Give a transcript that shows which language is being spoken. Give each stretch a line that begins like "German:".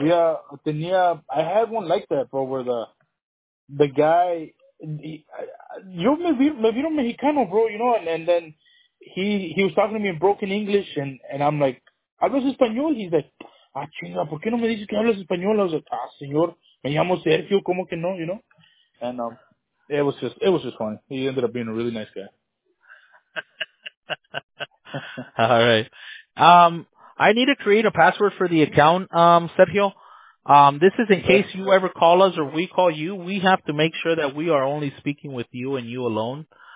English: I had one like that, bro, where the guy,
Spanish: me vieron mexicano,
English: bro, you know, and then he was talking to me in broken English, and I'm like,
Spanish: ¿hablas español?
English: He's like,
Spanish: ah, chinga, ¿por qué no me dices que hablas español?
English: I was like,
Spanish: ah, señor, me llamo Sergio, ¿cómo que no?
English: You know, and it was just funny. He ended up being a really nice guy. All right. I need to create a password for the account, Sergio. This is in case you ever call us or we call you. We have to make sure that we are only speaking with you and you alone.